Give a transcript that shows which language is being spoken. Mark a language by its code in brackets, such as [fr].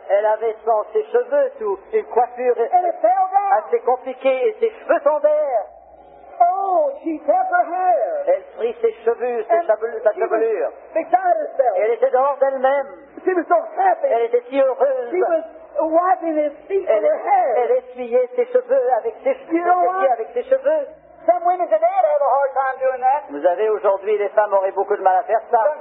[fr] Elle avait sans ses cheveux tout, une coiffure [en] and it fell down. [fr] Assez compliquée et ses cheveux tombèrent. [en] Oh, she kept her hair. [fr] Elle prit ses cheveux, ses chevelures, sa chevelure. [en] Beside herself. [fr] Elle était dehors d'elle-même. [en] She was so happy. [fr] Elle était si heureuse. [en] She was wiping his feet with her hair. [fr] Elle essuyait ses cheveux avec ses cheveux. [en] You know [fr] avec ses cheveux. [en] Some women today have a hard time doing that. [fr] Vous savez, aujourd'hui, les femmes auraient beaucoup de mal à faire ça.